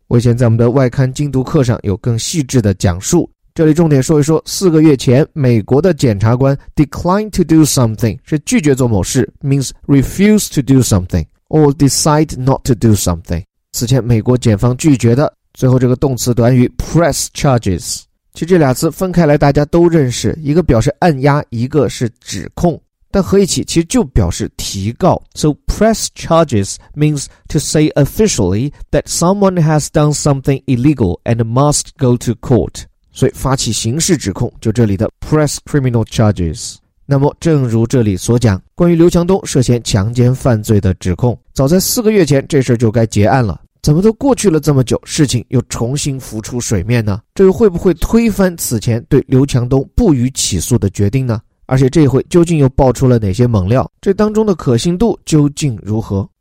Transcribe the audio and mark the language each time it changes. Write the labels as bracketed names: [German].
[Chinese] 我以前在我们的外刊精读课上有更细致的讲述，这里重点说一说四个月前美国的检察官 [English] decline to do something [Chinese] 是拒绝做某事， [English] means refuse to do something [Chinese] or decide not to do something。此前美国检方拒绝的最后这个动词短语 press charges， 其实这俩词分开来大家都认识，一个表示按压，一个是指控，但合一起其实就表示提告。 [English] So press charges means to say officially that someone has done something illegal and must go to court， [Chinese] 所以发起刑事指控就这里的 [English] press criminal charges。 [Chinese] 那么正如这里所讲，关于刘强东涉嫌强奸犯罪的指控，早在四个月前这事就该结案了，怎么都过去了这么久，事情又重新浮出水面呢？这又会不会推翻此前对刘强东不予起诉的决定呢？而且这一回究竟又爆出了哪些猛料，这当中的可信度究竟如何？